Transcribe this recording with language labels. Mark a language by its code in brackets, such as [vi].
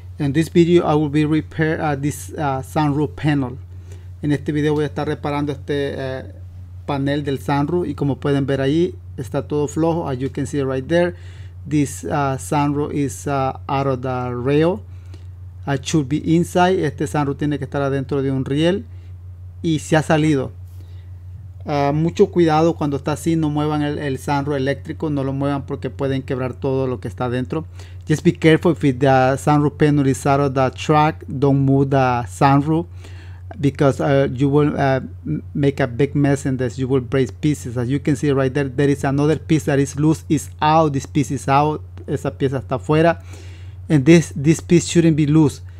[en] In this video, I will be repairing this sunroof panel. [es] En este video voy a estar reparando este panel del sunroof. Y como pueden ver ahí, está todo flojo. [en] As you can see right there, this sunroof is out of the rail. It should be inside. [es] Este sunroof tiene que estar adentro de un riel. Y se ha salido. Mucho cuidado cuando está así, no muevan el sunroof eléctrico, no lo muevan porque pueden quebrar todo lo que está dentro. [en] Just be careful if the sunroof panel is out of the track, don't move the sunroof because you will make a big mess in this. You will break pieces. As you can see right there, there is another piece that is loose, is out. This piece is out. [es] Esa pieza está fuera. [en] And this piece shouldn't be loose.